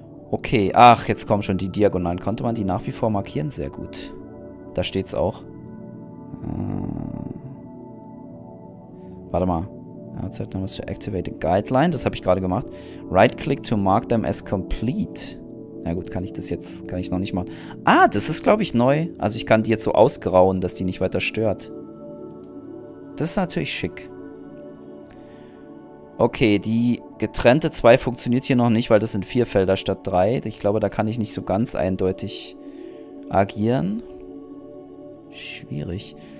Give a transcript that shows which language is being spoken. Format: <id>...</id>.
<de>Okay. Ach, jetzt kommen schon die Diagonalen. Konnte man die nach wie vor markieren? Sehr gut. Da steht's auch. Warte mal.</de> <en>Outside numbers to activate a guideline.</en> <de>Das habe ich gerade gemacht.</de> <en>Right-click to mark them as complete.</en> <de>Na gut, kann ich das jetzt... Kann ich noch nicht machen. Ah, das ist, glaube ich, neu. Also ich kann die jetzt so ausgrauen, dass die nicht weiter stört. Das ist natürlich schick. Okay, die getrennte 2 funktioniert hier noch nicht, weil das sind 4 Felder statt 3. Ich glaube, da kann ich nicht so ganz eindeutig agieren. Schwierig.</de>